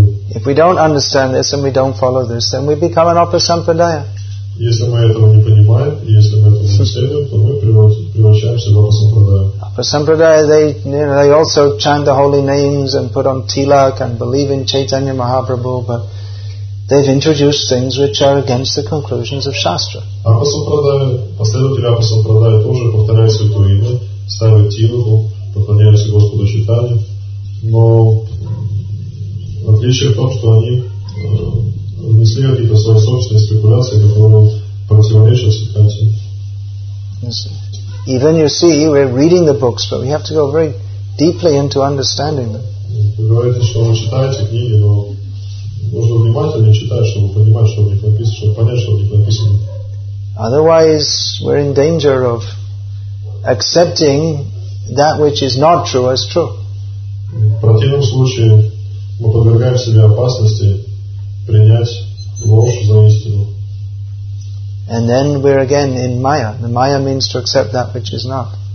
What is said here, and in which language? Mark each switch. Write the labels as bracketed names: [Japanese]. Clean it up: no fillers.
[English] If we don't understand this and we don't follow this, then we become an upasampradaya. [Russian] Если мы этого не понимаем, и если мы этого не следуем, то мы превращаемся в апасампрадаю. [English] Апасампрадаю, they also chant the holy names and put on tilak and believe in Chaitanya Mahaprabhu, but they've introduced things which are against the conclusions of Shastra. [Russian] Апасампрадаю, последователи апасампрадаю тоже повторяют святое имя, ставят тилаку, поклоняются Господу Чайтанье, Но в отличие от того, что они внесли какие-то свои собственные спекуляции, которые противоречат Сикхате. [English] Even you see, we're reading the books, but we have to go very deeply into understanding them. [Russian] Вы говорите, что вы читаете книги, но нужно внимательно читать, чтобы понимать, что в них написано, чтобы понять, что в них написано. [English] Otherwise, we're in danger of accepting that which is not true as true. [Russian] В противном случае мы подвергаем себе опасности принять ложь за истину. [English] And then we're again in Maya. The Maya means to accept that which is not.